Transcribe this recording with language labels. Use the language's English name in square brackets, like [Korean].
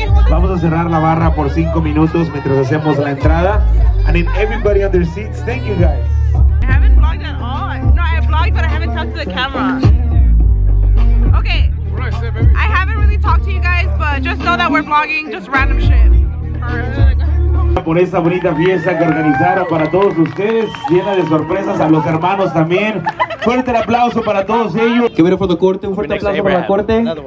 [Spanish] Vamos a cerrar la barra por 5 minutos mientras hacemos la entrada. [English] And in everybody on their seats, thank you guys. I haven't vlogged at all. No, I have vlogged, but I haven't talked to the camera. Okay, I haven't really talked to you guys, but just know that we're vlogging just random shit. [Spanish] Por esa bonita fiesta que organizaron para todos ustedes, llena de sorpresas a los hermanos también. Fuerte el aplauso para todos ellos. Que viene por la corte, un fuerte aplauso para la corte.